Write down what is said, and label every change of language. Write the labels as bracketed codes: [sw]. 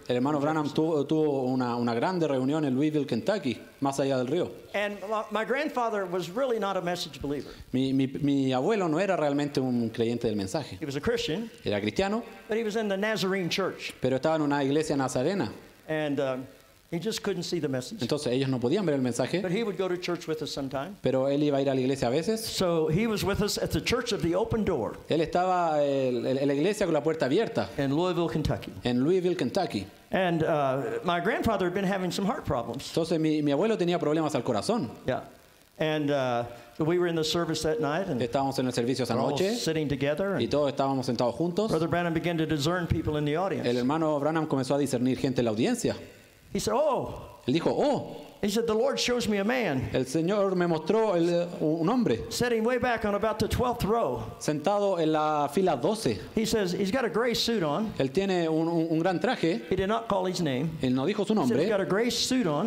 [es] El hermano Branham tuvo una grande reunión en Louisville, Kentucky, más allá del río. [en] And my grandfather was really not a message believer. [es] Mi abuelo no era realmente un creyente del mensaje. [en] He was a Christian. [es] Era cristiano. [en] But he was in the Nazarene church. [es] Pero estaba en una iglesia nazarena. [en] And he just couldn't see the message. [es] Entonces ellos no podían ver el mensaje. [en] But he would go to church with us sometime. [es] Pero él iba a ir a la iglesia a veces. [en] So he was with us at the church of the open door. [es] Él estaba en la iglesia con la puerta abierta. [en] In Louisville, Kentucky. [es] En Louisville, Kentucky. [en] And my grandfather had been having some heart problems. [es] Entonces mi abuelo tenía problemas al corazón. [en] Yeah. And we were in the service that night, and [es] estábamos en el servicio esa noche, [en] all sitting together, [es] y todos estábamos sentados juntos. [en] Brother Branham began to discern people in the audience. [es] El hermano Branham comenzó a discernir gente en la audiencia. [en] He said, "Oh." [es] Él dijo, "Oh." [en] He said, "The Lord shows me a man." [es] El Señor me mostró un hombre. [en] Sitting way back on about the 12th row. [es] Sentado en la fila 12. [en] He says, "He's got a gray suit on." [es] Él tiene un gran traje. [en] He did not call his name. [es] Él no dijo su nombre. [en] He said, "He's got a gray suit on."